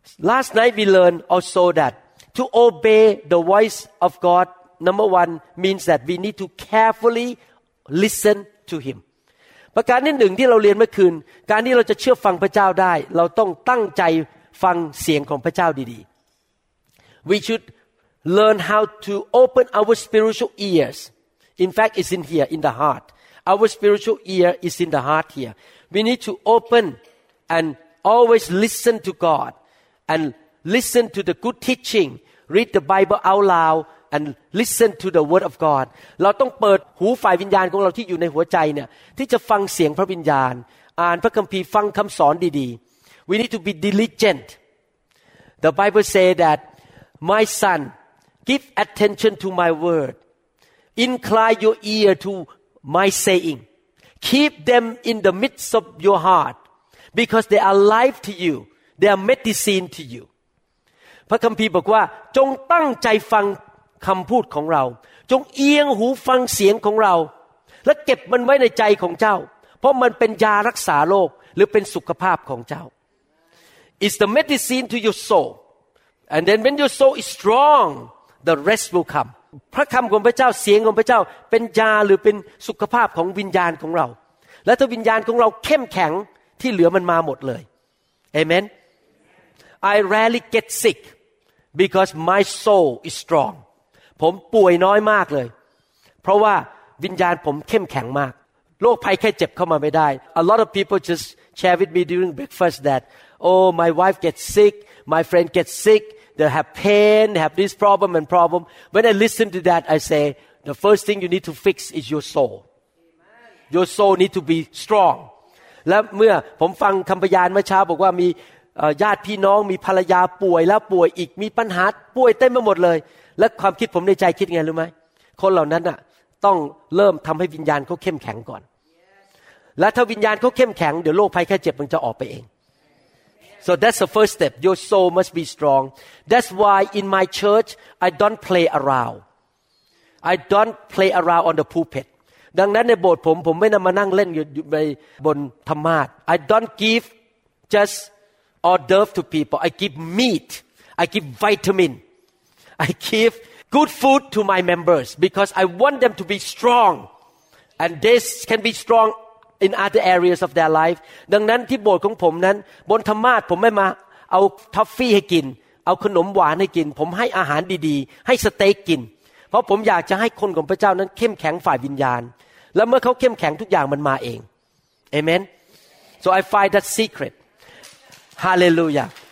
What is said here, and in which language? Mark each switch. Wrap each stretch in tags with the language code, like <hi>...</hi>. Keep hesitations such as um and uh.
<en>Last night we learned also that to obey the voice of God number one means that we need to carefully listen to Him</en> <th>ประการที่หนึ่งที่เราเรียนเมื่อคืนการที่เราจะเชื่อฟังพระเจ้าได้ เราต้องตั้งใจฟังเสียงของพระเจ้าดีๆ</th> <en>We should learn how to open our spiritual ears In fact, it's in here, in the heart. Our spiritual ear is in the heart here. We need to open and always listen to God and listen to the good teaching. Read the Bible out loud and listen to the Word of God.</en> <th>เราต้องเปิดหูฝ่ายวิญญาณของเราที่อยู่ในหัวใจเนี่ยที่จะฟังเสียงพระวิญญาณอ่านพระคัมภีร์ฟังคำสอนดีๆ</th> <en>We need to be diligent. The Bible say that my son give attention to my word. incline your ear to my saying keep them in the midst of your heart because they are life to you</en> <th>they are medicine to you พระคัมภีร์บอกว่า จงตั้งใจฟังคำพูดของเรา จงเอียงหูฟังเสียงของเรา และเก็บมันไว้ในใจของเจ้า เพราะมันเป็นยารักษาโรคหรือเป็นสุขภาพของเจ้า</th> <en>is t the medicine to your soul and then when your soul is strong the rest will come</en> <th>พระคำของพระเจ้าเสียงของพระเจ้า เป็นยาหรือเป็นสุขภาพของวิญญาณของเราและถ้าวิญญาณของเราเข้มแข็งที่เหลือมันมาหมดเลยเอเมน</th> <en>I rarely get sick because my soul is strong</en> <th>ผมป่วยน้อยมากเลย เพราะว่าวิญญาณผมเข้มแข็งมากโรคภัยแค่เจ็บเข้ามาไม่ได้</th> <en>A lot of people just share with me during breakfast that oh my wife gets sick my friend gets sick they have pain, they have this problem and problem. When I listen to that, I say, the first thing you need to fix is your soul. Your soul need to be strong.</en> <th>และเมื่อผมฟังคำพยานเมื่อเช้าบอกว่ามีญาติพี่น้องมีภรรยาป่วย แล้วป่วยอีกมีปัญหาป่วยเต็มไปหมดเลย และความคิดผมในใจคิดไงรู้ไหมคนเหล่านั้นอ่ะต้องเริ่มทําให้วิญญาณเขาเข้มแข็งก่อนและถ้าวิญญาณเขาเข้มแข็งเดี๋ยวโรคภัยแค่เจ็บมันจะออกไปเอง</th> <en>So that's the first step. Your soul must be strong. That's why in my church, I don't play around. I don't play around on the pulpit.</en> <th>ดังนั้นในโบสถ์ผมผมไม่นำมานั่งเล่นอยู่ไปบนธรรมาท</th> <en>I don't give just order to people. I give meat. I give vitamin. I give good food to my members because I want them to be strong. And this can be strong in other areas of their life</en> <th>ดังนั้นที่โบสถ์ของผมนั้นบนธรรมาสผมไม่มาเอาทอฟฟี่ให้กิน เอาขนมหวานให้กิน ผมให้อาหารดีๆ ให้สเต็กกิน เพราะผมอยากจะให้คนของพระเจ้านั้นเข้มแข็งฝ่ายวิญญาณและเมื่อเขาเข้มแข็งทุกอย่างมันมาเองเอเมน</th> <en>so I find that secret hallelujah</en>